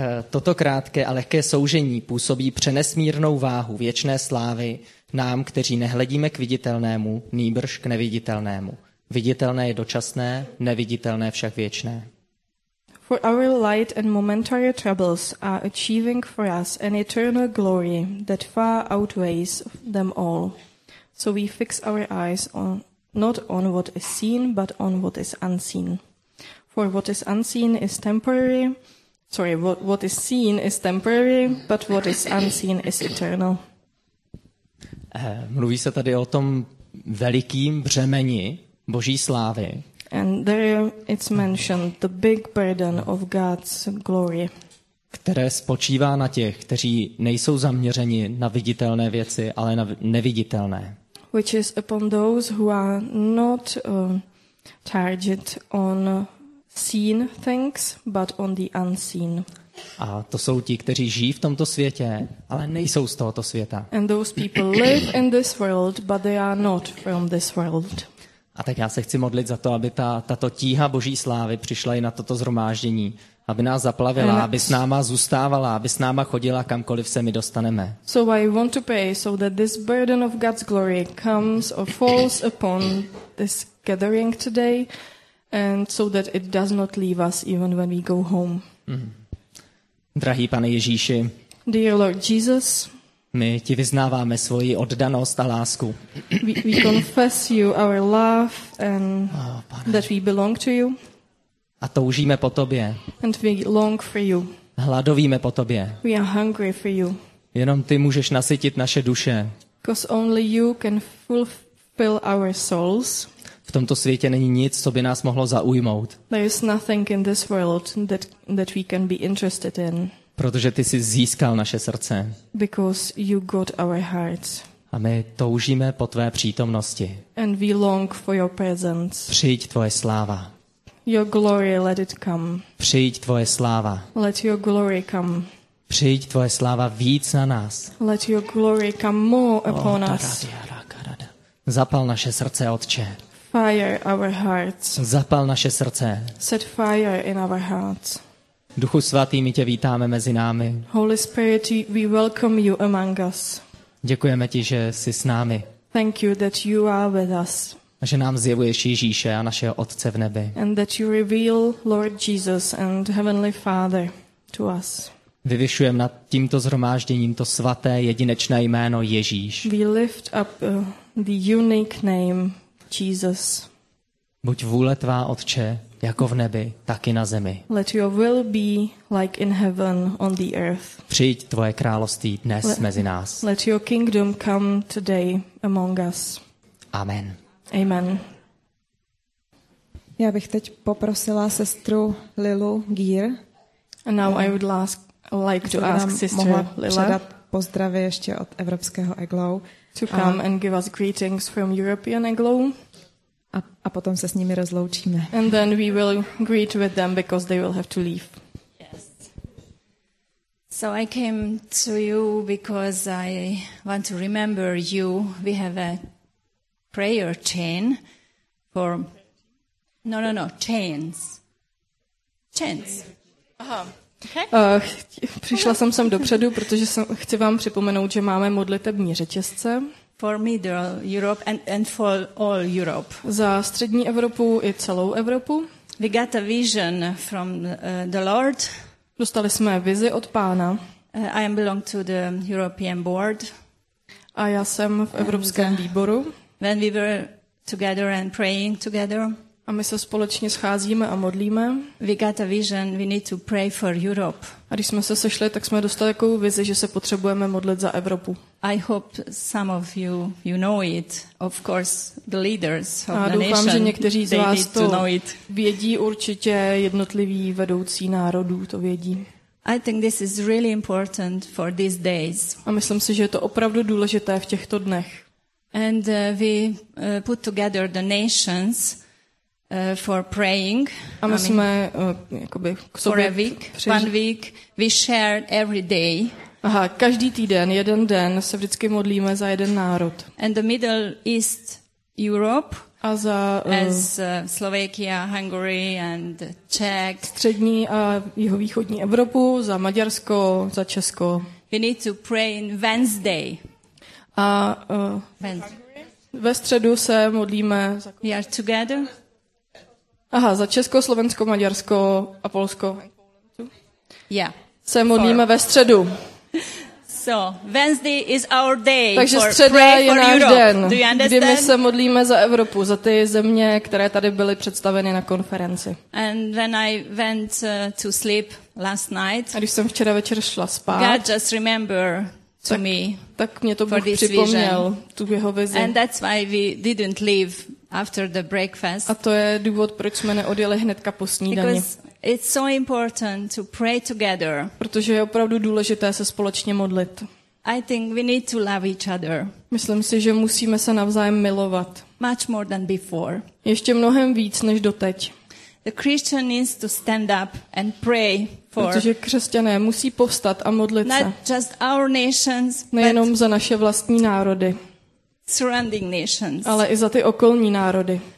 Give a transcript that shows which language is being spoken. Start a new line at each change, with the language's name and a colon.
Czech: Toto krátké a lehké soužení působí přenesmírnou váhu věčné slávy nám, kteří nehledíme k viditelnému, nýbrž k neviditelnému. Viditelné je dočasné, neviditelné však věčné.
English: For our light and momentary troubles are achieving for us an eternal glory that far outweighs them all. So we fix our eyes on not on what is seen, but on what is unseen. For what is unseen is temporary. Sorry, what is seen is temporary, but what is unseen is eternal.
Czech: Mluví se tady o tom velikým břemeni Boží slávy.
English: And there it's mentioned the big burden of God's glory,
Czech: které spočívá na těch, kteří nejsou zaměřeni na viditelné věci, ale na neviditelné.
English: Which is upon those who are not targeted on seen things, but on the unseen.
Czech: A to jsou ti, kteří žijí v tomto světě, ale nejsou z tohoto světa.
English: And those people live in this world, but they are not from this world.
Czech: A tak já se chci modlit za to, aby tato tíha Boží slávy přišla i na toto zhromáždění, aby nás zaplavila, aby s náma zůstávala, aby s náma chodila kamkoliv se my dostaneme.
English: So I want to pray so that this burden of God's glory comes or falls upon this gathering today and so that it does not leave us even when we go home.
Czech: Drahý Pane Ježíši.
English: Dear Lord Jesus.
Czech: My ti vyznáváme svoji oddanost a lásku.
English: We confess you our love and that we belong to you.
Czech: A toužíme po tobě.
English: And we long for you.
Czech: Hladovíme po tobě.
English: We are hungry for you.
Czech: Jenom ty můžeš nasytit naše duše.
English: Because only you can fulfill our souls.
Czech: V tomto světě není nic, co by nás mohlo zaujmout.
English: There is nothing in this world that we can be interested in.
Czech: Protože ty jsi získal naše srdce.
English: Because you got our hearts.
Czech: A my toužíme po tvé přítomnosti.
English: And we long for your presence.
Czech: Přijď tvoje sláva.
English: Your glory, let it come.
Czech: Přijď tvoje sláva.
English: Let your glory come.
Czech: Přijď tvoje sláva víc na nás.
English: Let your glory come more upon us.
Czech: Zapal naše srdce, Otče.
English: Fire our hearts.
Czech: Zapal naše srdce.
English: Set fire in our hearts.
Czech: Duchu svatý, my tě vítáme mezi námi.
English: Holy Spirit, we welcome you among us.
Czech: Děkujeme ti, že jsi s námi.
English: Thank you that you are with us.
Czech: A že nám zjevuješ Ježíše a našeho Otce v nebi.
English: And that you reveal Lord Jesus and Heavenly Father to us.
Czech: Vyvyšujeme nad tímto zhromážděním to svaté, jedinečné jméno Ježíš.
English: We lift up the unique name Jesus.
Czech: Buď vůle tvá, Otče, jako v nebi, tak i na zemi.
English: Let your will be like in heaven on the earth.
Czech: Přijď tvoje království dnes mezi nás.
English: Let your kingdom come today among us.
Czech: Amen.
English: Amen.
Czech: Já bych teď poprosila sestru Lilu Gír.
English: And now I would like to ask sister Lila.
Czech: Předat pozdravy ještě od evropského Eglou.
English: To come and give us greetings from European Eglou.
Czech: A potom se s nimi rozloučíme.
English: And then we will greet with them because they will have to leave. Yes. So I came to you because I want to remember you. We have a prayer chain for chains. Aha. Okay.
Czech: Přišla jsem sem dopředu, protože chci vám připomenout, že máme modlitební řetězce.
English: For Middle Europe and for all Europe.
Czech: Za střední Evropu i celou Evropu.
English: We got a vision from the Lord.
Czech: Dostali jsme vizi od Pána.
English: I belong to the European board.
Czech: A já jsem v Evropském výboru.
English: When we were together and praying together.
Czech: A my se společně scházíme a modlíme.
English: We got a vision, we need to pray for Europe.
Czech: A když jsme se sešli, tak jsme dostali takovou vizi, že se potřebujeme modlit za Evropu.
English: I hope some of you, you know it. Of course, the leaders of the
Czech: nation. A doufám, že někteří z vás to vědí, určitě jednotliví vedoucí národů to vědí.
English: I think this is really important for these days.
Czech: A myslím si, že je to opravdu důležité v těchto dnech.
English: And we put together the nations for praying.
Czech: A my jsme jakoby k sobě
English: one week we share every day.
Czech: Aha, každý týden, jeden den se vždycky modlíme za jeden národ.
English: And the Middle East Europe.
Czech: A za
English: as Slovakia, Hungary and Czech.
Czech: Střední a jihovýchodní Evropu, za Maďarsko, za Česko.
English: We need to pray on Wednesday.
Czech: A ve středu se modlíme
English: za we are together.
Czech: Aha, za Česko, Slovensko, Maďarsko a Polsko.
English: Yeah.
Czech: Se modlíme ve středu.
English: So, Wednesday is our day.
Czech: Takže
English: for
Czech: středa je náš
English: Europe.
Czech: Den, kdy my se modlíme za Evropu, za ty země, které tady byly představeny na konferenci.
English: And when I went to sleep last night,
Czech: a když jsem včera večer šla spát,
English: God just remember to me.
Czech: Tak mě to Bůh připomněl, tu jeho vizi.
English: And that's why we didn't leave after the breakfast.
Czech: A to je důvod, proč jsme neodjeli hnedka po snídani.
English: It's so important to pray together.
Czech: Protože je opravdu důležité se společně modlit.
English: I think we need to love each other.
Czech: Myslím si, že musíme se navzájem milovat.
English: Much more than before.
Czech: Ještě mnohem víc než doteď.
English: The Christian needs to stand up and pray.
Czech: Protože křesťané musí povstat a modlit se.
English: Not just our nations,
Czech: nejenom za naše vlastní národy,
English: surrounding nations,
Czech: ale i za ty okolní národy.